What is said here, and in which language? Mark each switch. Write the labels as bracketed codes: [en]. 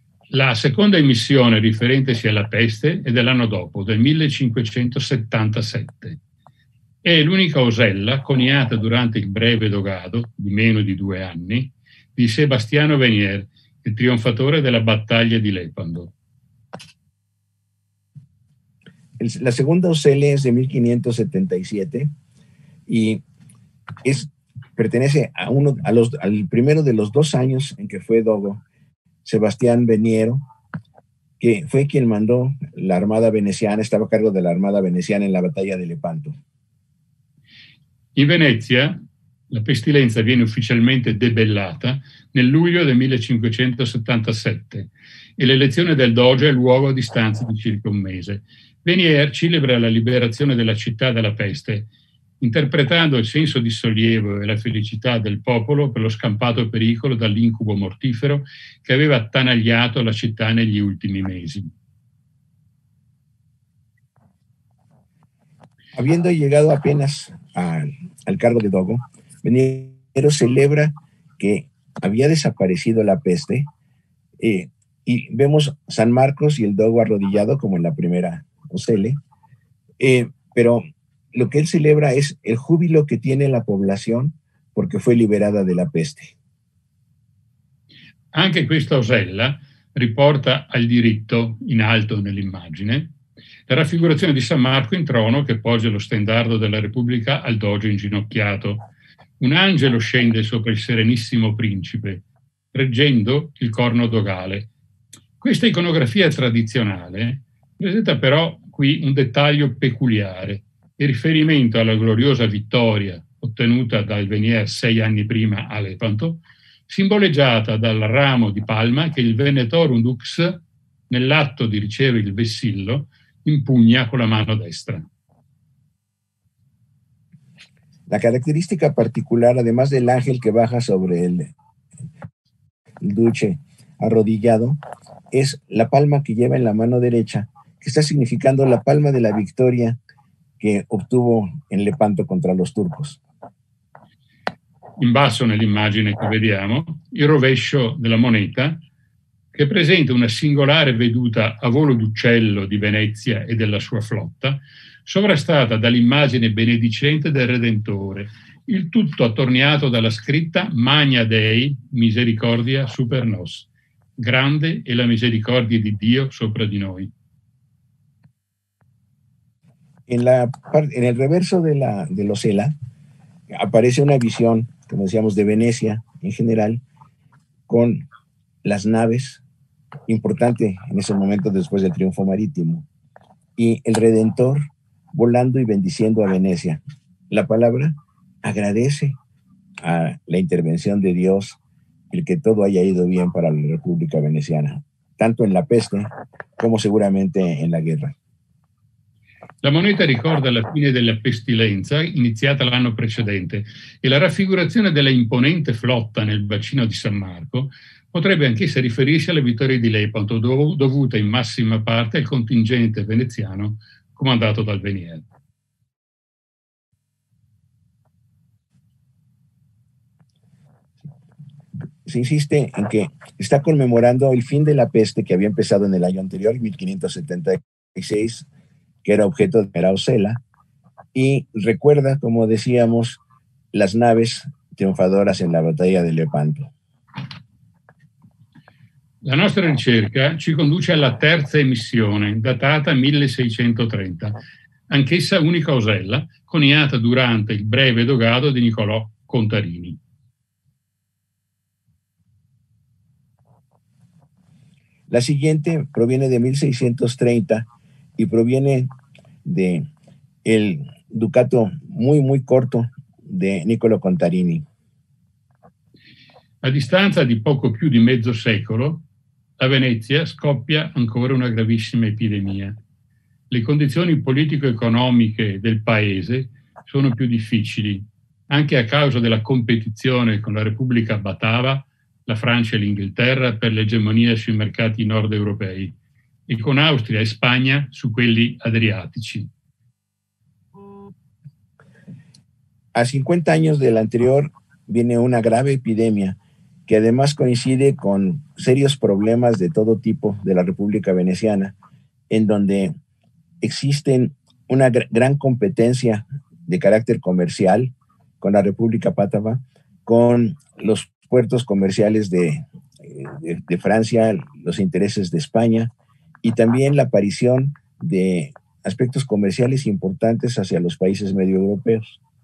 [it] La seconda emissione riferentesi alla peste è dell'anno dopo, del 1577. È l'unica osella coniata durante il breve dogado, di meno di due anni, di Sebastiano Venier, il trionfatore della battaglia di Lepanto. La seconda osella è del 1577 e [es] pertenece al primero de los dos años en que fue dogo. Sebastián Veniero, que fue quien mandó la Armada Veneciana, estaba a cargo de la Armada Veneciana en la Batalla de Lepanto. [it] In Venezia, la pestilenza viene ufficialmente debellata nel luglio del 1577 e l'elezione del doge ha luogo a distanza di circa un mese. Venier celebra la liberazione della città dalla peste, interpretando il senso di sollievo e la felicità del popolo per lo scampato pericolo dall'incubo mortifero che aveva attanagliato la città negli ultimi mesi. [es] Avendo llegado apenas al cargo de Dogo, Venero celebra que había desaparecido la peste, y vemos San Marcos y el Dogo arrodillado como en la primera Ocele, pero lo que él celebra es el júbilo que tiene la población porque fue liberada de la peste. [it] Anche questa osella riporta al diritto in alto nell'immagine la raffigurazione di San Marco in trono che poggia lo stendardo della Repubblica al doge inginocchiato. Un angelo scende sopra il serenissimo principe, reggendo il corno dogale. Questa iconografia tradizionale presenta però qui un dettaglio peculiare, in riferimento alla gloriosa vittoria ottenuta dal Venier 6 anni prima a Lepanto, simboleggiata dal ramo di palma che il Venetorum Dux, nell'atto di ricevere il vessillo, impugna con la mano destra. La caratteristica particolare, [es] además del ángel che baja sobre el duce arrodillado, es la palma que lleva en la mano derecha, que está significando la palma de la victoria que obtuvo en Lepanto contra los turcos. [it] In basso nell'immagine che vediamo, il rovescio della moneta, che presenta una singolare veduta a volo d'uccello di Venezia e della sua flotta, sovrastata dall'immagine benedicente del Redentore, il tutto attorniato dalla scritta «Magna Dei, misericordia super nos», grande è la misericordia di Dio sopra di noi. [es] En el reverso dell'osela aparece una visione, come decíamos, de Venecia in general, con las naves, importante en ese momento después del triunfo marítimo, y el Redentor volando y bendiciendo a Venecia. La palabra agradece a la intervención de Dios el que todo haya ido bien para la República Veneciana, tanto en la peste como seguramente en la guerra. [it] La moneta ricorda la fine della pestilenza iniziata l'anno precedente e la raffigurazione della imponente flotta nel bacino di San Marco potrebbe anch'essa riferirsi alle vittorie di Lepanto, dovute in massima parte al contingente veneziano comandato dal Venier. [es] Si insiste en que está conmemorando el fin de la peste que había empezado en el año anterior, 1576, que era objeto de la Ocela, y recuerda, como decíamos, las naves triunfadoras en la batalla de Lepanto. [it] La nostra ricerca ci conduce alla terza emissione, datata 1630, anch'essa unica osella, coniata durante il breve dogado di Niccolò Contarini. [es] La siguiente proviene de 1630 y proviene de el ducato muy, muy corto de Niccolò Contarini. [it] A distanza di poco più di mezzo secolo, a Venezia scoppia ancora una gravissima epidemia. Le condizioni politico-economiche del paese sono più difficili, anche a causa della competizione con la Repubblica Batava, la Francia e l'Inghilterra per l'egemonia sui mercati nord-europei e con Austria e Spagna su quelli adriatici. A 50 anni [es] dell'anterior viene una grave epidemia, que además coincide con serios problemas de todo tipo de la República Veneciana, en donde existen una gran competencia de carácter comercial con la República Pátava, con los puertos comerciales de Francia, los intereses de España, y también la aparición de aspectos comerciales importantes hacia los países medio europeos.